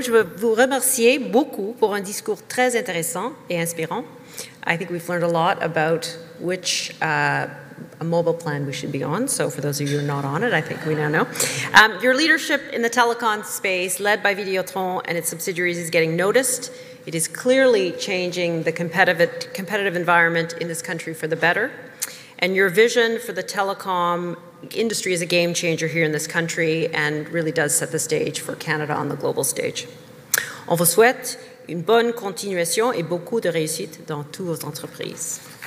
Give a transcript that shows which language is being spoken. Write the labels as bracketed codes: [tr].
[fr] Je veux vous remercier beaucoup pour un discours très intéressant et inspirant. [en] I think we've learned a lot about which a mobile plan we should be on. So for those of you who are not on it, I think we now know. Your leadership in the telecom space, led by Vidéotron and its subsidiaries, is getting noticed. It is clearly changing the competitive environment in this country for the better. And your vision for the telecom industry is a game changer here in this country and really does set the stage for Canada on the global stage. [fr] On vous souhaite une bonne continuation et beaucoup de réussite dans toutes vos entreprises.